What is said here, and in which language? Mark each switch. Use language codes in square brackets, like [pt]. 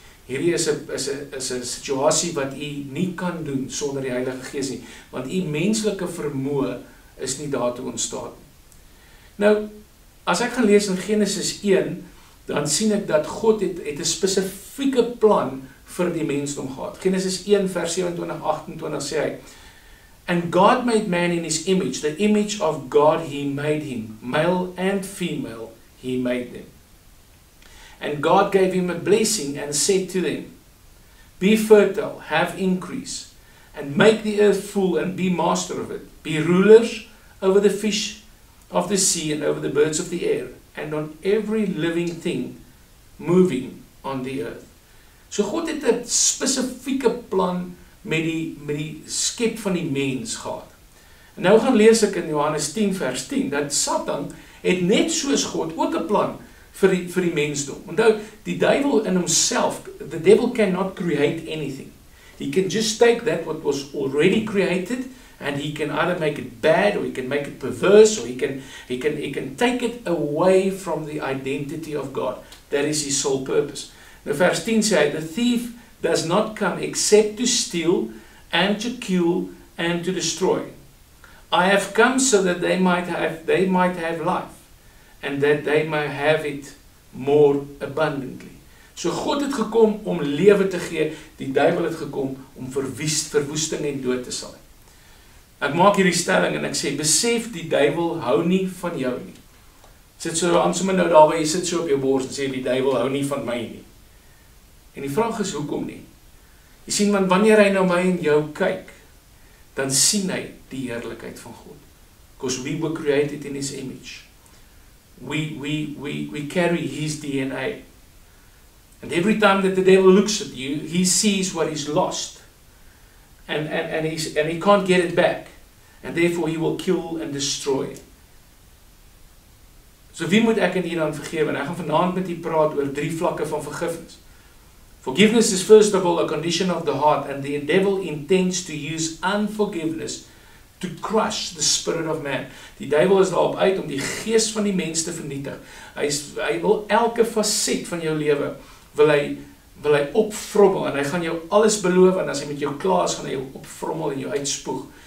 [af] Hierdie is een situasie wat u nie kan doen sonder die Heilige Gees nie, want u menslike vermoë is nie daartoe ontstaan. Nou, as ek gaan lees in Genesis 1, dan sien ek dat God het 'n spesifieke plan vir die mensdom gehad. Genesis 1 vers 27-28 sê hy, [en] and God made man in his image, the image of God he made him, male and female he made them. And God gave him a blessing and said to them, be fertile, have increase, and make the earth full and be master of it. Be rulers over the fish of the sea and over the birds of the air, and on every living thing moving on the earth. [af] So God het 'n spesifieke plan met die skep van die mens gehad. En nou gaan lees ek in Johannes 10 vers 10, dat Satan het net soos God ook 'n plan vir die mensdom. Onthou, die duivel in homself, [en] the devil cannot create anything. He can just take that what was already created, and he can either make it bad, or he can make it perverse, or he can take it away from the identity of God. That is his sole purpose. [af] Nou vers 10 sê, [en] the thief does not come except to steal, and to kill, and to destroy. I have come so that they might have life, and that they may have it more abundantly. [af] So God het gekom om lewe te gee, die duivel het gekom om verwoesting en dood te saai. Ek maak hierdie stelling en ek sê, besef, die duivel hou nie van jou nie. Sit so aan sommer nou daar waar jy sit so op jou bors en sê, die duivel hou nie van my nie. En die vraag is, hoekom nie? Jy sien, want wanneer hy na my en jou kyk, dan sien hy die heerlikheid van God. [en] Because we were created in his image. We carry his DNA. And every time that the devil looks at you, he sees what he's lost. And he can't get it back. And therefore he will kill and destroy. [af] So wie moet ek en jy dan vergewe? En ek gaan vanavond met jy praat oor drie vlakke van vergifnis. [en] Forgiveness is first of all a condition of the heart, and the devil intends to use unforgiveness to crush the spirit of man. [af] Die duivel is daarop uit om die geest van die mens te vernietig. Hy wil elke facet van jou leven, wil hy opvrommel, en hy gaan jou alles beloven, en as hy met jou klaar is, gaan hy jou opvrommel en jou uitspoeg.